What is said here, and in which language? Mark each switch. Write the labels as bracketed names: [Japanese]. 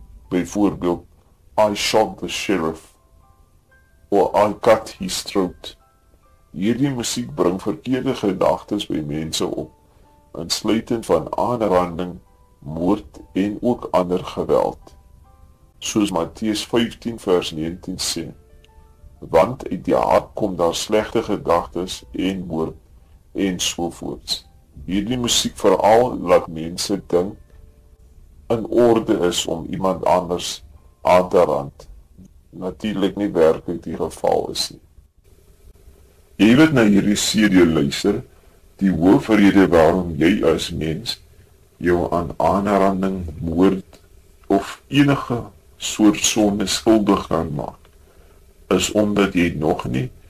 [Afrikaans] Byvoorbeeld, [English] I shot the sheriff, or I cut his throat. [Afrikaans] Hierdie musiek bring verkeerde gedagtes by mense op, insluitend van aanranding, moord en ook ander geweld. Soos Matteus 15 vers 19 sê, want uit die hart kom daar slegte gedagtes en moord en sovoorts. Hierdie musiek veral laat mense dink in orde is om iemand anders aan te rand. Natuurlik nie werklik die geval is nie. Jy weet na hierdie serie luister, die hoofrede waarom jy as mens jou aan aanranding, moord of enige soort sonde skuldig kan maak, is omdat jy nog nie